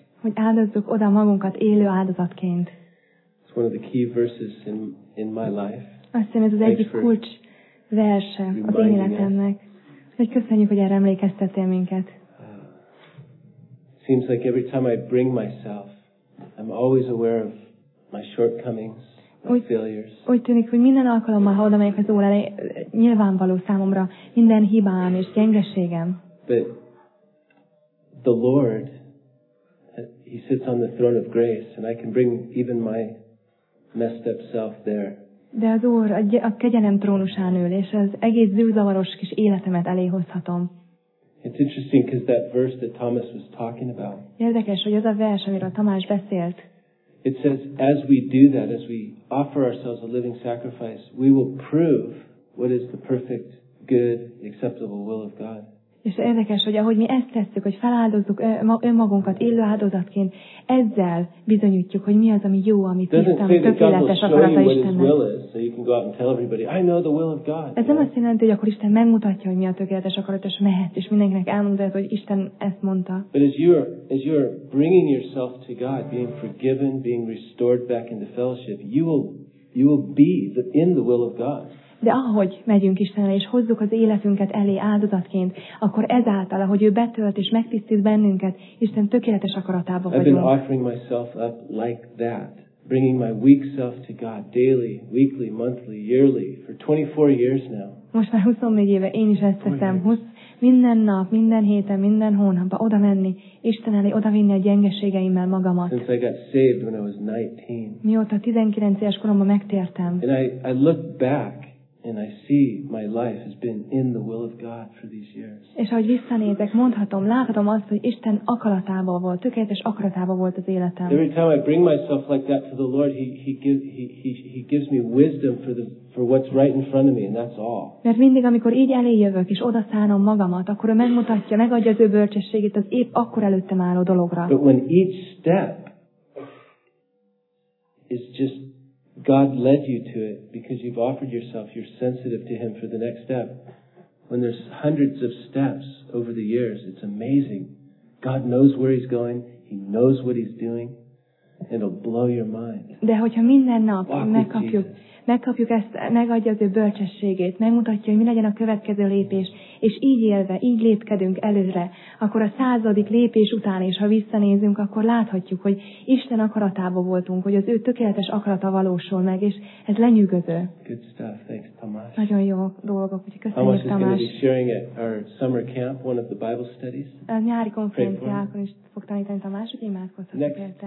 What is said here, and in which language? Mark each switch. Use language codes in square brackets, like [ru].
[hu] Hogy áldozzuk oda magunkat élő áldozatként. [en] It's one of the key verses in my life. [hu] Azt hiszem, ez az egyik kulcs verse az én életemnek. Hogy köszönjük, hogy erre emlékeztettél minket. [en] Seems like every time I bring myself, I'm always aware of my shortcomings. [hu] Úgy tűnik, hogy minden alkalommal, ha oda megyek az órára, nyilvánvaló számomra minden hibám és gyengeségem. [en] But the Lord, he sits on the throne of grace, and I can bring even my messed up self there. [hu] De az Úr a kegyelem trónusán ül, és az egész zűrzavaros kis életemet elé hozhatom. [en] It's interesting because that verse that Thomas was talking about. [hu] Érdekes, hogy az a vers, amiről Tamás beszélt. [en] It says, as we do that, as we offer ourselves a living sacrifice, we will prove what is the perfect, good, acceptable will of God. [hu] És érdekes, hogy ahogy mi ezt tesszük, hogy feláldozzuk önmagunkat élő áldozatként, ezzel bizonyítjuk, hogy mi az, ami jó, amit tisztán, tökéletes akarata Istennek. Ez nem azt jelenti, hogy akkor Isten megmutatja, hogy mi a tökéletes akarata, és mehet, és mindenkinek elmondja, hogy Isten ezt mondta. [en] But as you are bringing yourself to God, being forgiven, being restored back into fellowship, you will be in the will of God. [hu] De ahogy megyünk Istenre, és hozzuk az életünket elé áldozatként, akkor ezáltal, ahogy ő betölt és megtisztít bennünket, Isten tökéletes akaratába vagyunk. [en] I've been offering myself up like that, bringing my weak self to God daily, weekly, monthly, yearly, for 24 years now. [hu] Most már 24 éve én is ezt teszem, minden nap, minden héten, minden hónapban oda menni, Isten elé oda vinni a gyengeségeimmel magamat. [en] Since I got saved when I was 19. [hu] Mióta 19 éves koromban megtértem. [en] And I look back, and I see my life has been in the will of God for these years. [hu] És ahogy visszanézek, mondhatom, láthatom azt, hogy Isten akaratával volt, tökéletes akaratával volt az életem. [en] Every time I bring myself like that to the Lord, he gives me wisdom for what's right in front of me, and that's all. [hu] Mert mindig, amikor így elé jövök és oda szánom magamat, akkor ő megmutatja, megadja az ő bölcsességét az épp akkor előttem álló dologra. [en] But when each step is just God led you to it because you've offered yourself, you're sensitive to Him for the next step. When there's hundreds of steps over the years, it's amazing. God knows where He's going, He knows what He's doing, it'll blow your mind. [hu] De hogyha minden nap megkapjuk ezt, megadja az ő bölcsességét, megmutatja, hogy mi legyen a következő lépés, és így élve, így lépkedünk előre, akkor a századik lépés után, és ha visszanézünk, akkor láthatjuk, hogy Isten akaratába voltunk, hogy az ő tökéletes akarata valósul meg, és ez lenyűgöző. [en] Good stuff. Thanks, Tamás. [hu] Nagyon jó dolgok, úgyhogy köszönjük, Tamás. [en] Tamás is sharing at our summer camp, one of the Bible studies. [hu] A nyári konferenciákon is fog tanítani Tamás, hogy imádkozhatok érte.